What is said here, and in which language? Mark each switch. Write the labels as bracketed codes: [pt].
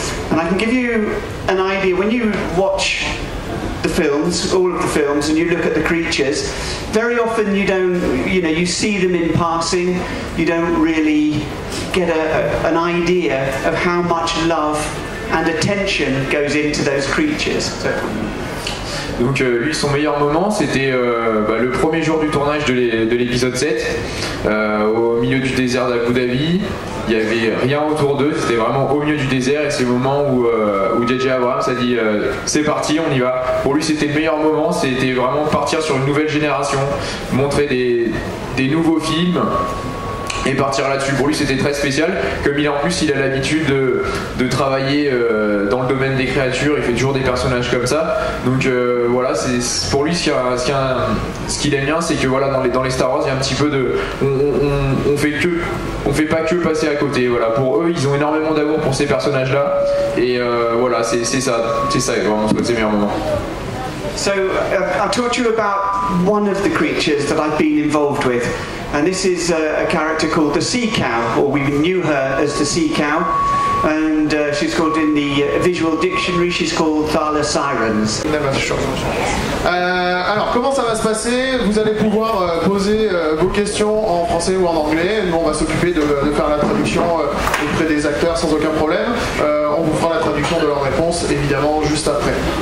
[en] And I can give you an idea, when you watch the films, all of the films, and you look at the creatures, very often you don't, you know, you see them in passing, you don't really get an idea of how much love and attention goes into those creatures. So. [fr] Donc lui, son meilleur moment, c'était le premier jour du tournage de l'épisode 7, au milieu du désert d'Abu Dhabi. Il n'y avait rien autour d'eux, c'était vraiment au milieu du désert, et c'est le moment où, où JJ Abrams a dit « c'est parti, on y va ». Pour lui, c'était le meilleur moment, c'était vraiment partir sur une nouvelle génération, montrer des nouveaux films, et partir là-dessus. Pour lui, c'était très spécial, comme il a en plus il a l'habitude de travailler dans le domaine des créatures, il fait toujours des personnages comme ça. Donc voilà, c'est pour lui ce qu'il aime bien, c'est que voilà, dans les Star Wars, il y a un petit peu de on fait pas que passer à côté. Voilà, pour eux, ils ont énormément d'amour pour ces personnages là et voilà, c'est ça vraiment ce côté meilleur moment. [en] So I talked to you about one of the creatures that I've been involved with. And this is a character called the Sea Cow, or we knew her as the Sea Cow. And she's called in the visual dictionary, she's called Thala Sirens. [fr] Alors, comment ça va se passer? Vous allez pouvoir poser vos questions en français ou en anglais. Nous, on va s'occuper de faire la traduction auprès des acteurs sans aucun problème. On vous fera la traduction de leurs réponses, évidemment, juste après.